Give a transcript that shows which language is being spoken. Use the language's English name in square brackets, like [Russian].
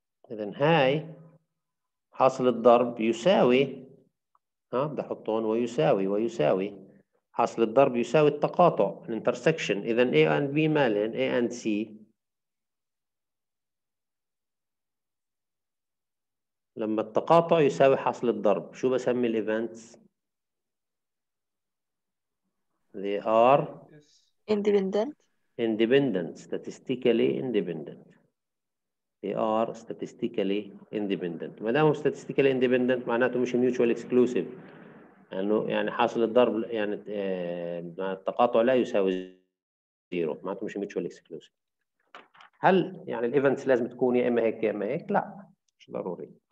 [Arabic] إذا هاي حاصل الضرب يساوي، ها بدي احط هون ويساوي حاصل الضرب يساوي التقاطع الانترسكشن. اذا A and B مالن؟ A and C لما التقاطع يساوي حصل الضرب شو بسمي الايفنتس؟ [English] They are independent. Independent, statistically independent. They are statistically independent. [Arabic] ما دام statistically independent معناته مش mutual exclusive. يعني حاصل الضرب يعني التقاطع لا يساوي zero. معناته مش mutual exclusive. هل يعني الايفنتس لازم تكون يا اما هيك يا اما هيك؟ لا مش ضروري.